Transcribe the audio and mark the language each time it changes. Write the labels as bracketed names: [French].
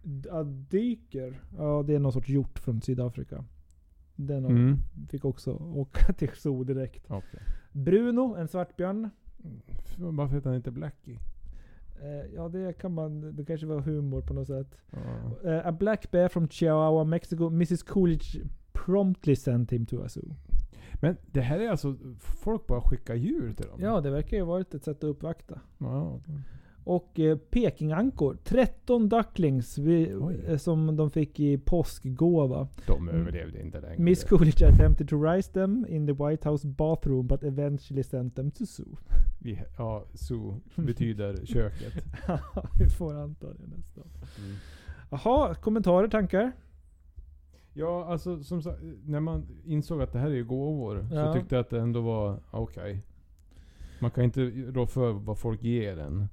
[Swedish] Adyker. Ja, det är någon sorts hjort från Sydafrika. Den fick också åka till zoo direkt. Okay. Bruno, en svartbjörn. Varför heter han inte Blackie? Ja, det kanske var humor på något sätt. [English] A black bear from Chihuahua, Mexico. Mrs. Coolidge promptly sent him to a zoo. [Swedish] Men det här är alltså, folk bara skickar djur till dem. Ja, det verkar ju varit ett sätt att uppvakta. Okay. Och pekingankor. 13 ducklings som de fick i påskgåva. De överlevde inte längre. [English] Miss Coolidge attempted to raise them in the White House bathroom but eventually sent them to zoo. [Swedish] Ja, zoo betyder köket. Ja, vi får anta det nästan. Jaha, kommentarer, tankar? Ja, alltså som sagt, när man insåg att det här är gåvor så tyckte jag att det ändå var okej. Okay. Man kan inte rå för vad folk ger en.